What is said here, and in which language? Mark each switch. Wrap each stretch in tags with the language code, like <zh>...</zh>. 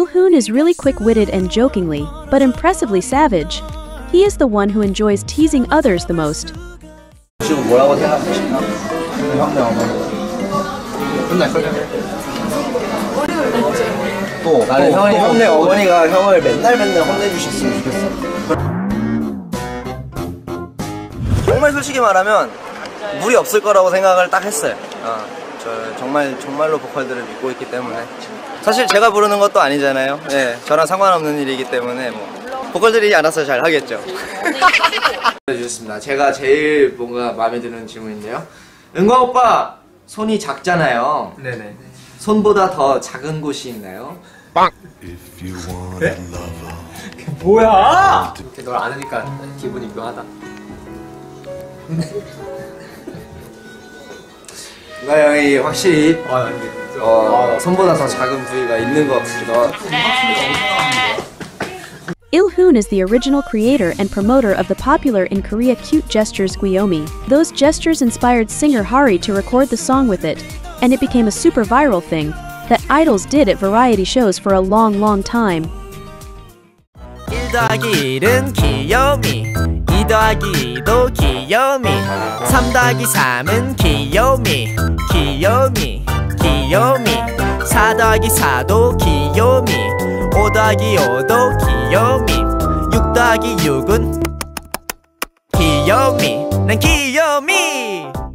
<en>Is really quick-witted and jokingly, but impressively savage. He is the one who enjoys teasing others the most.</en> <ko>지금 뭐라고 생각하시나요? 혼내 어머니. 혼내 또 나는 형이 어머니가 형을 맨날 혼내주셨으면 좋겠어. 정말 솔직히 말하면 물이 없을 거라고 생각을 딱 했어요. 저 정말로 보컬들을 믿고 있기 때문에. 사실 제가 부르는 것도 아니잖아요. 예, 네, 저랑 상관없는 일이기 때문에 뭐 보컬들이 알아서 잘 하겠죠. 해주셨습니다. 제가 제일 뭔가 마음에 드는 질문인데요. 은광 오빠 손이 작잖아요. 네네. 손보다 더 작은 곳이 있나요? 빵. 네? 뭐야? 이렇게 널 안으니까 기분이 묘하다. 은광 형이 확실히. 손보다 더 작은 부위가 있는 것 같기도 하고</ko> <en>Il-hoon is the original creator and promoter of the popular in Korea cute gestures Gyeomi. Those gestures inspired singer Hari to record the song with it, and it became a super viral thing that idols did at variety shows for a long, long time.</en> <ko>1 더하기 1은 귀요미 2 더하기 2도 귀요미 3 더하기 3은 귀요미 귀요미 귀요미 4 더하기 4도 귀요미 5 더하기 5도 귀요미 6 더하기 6은 귀요미 난 귀요미</ko>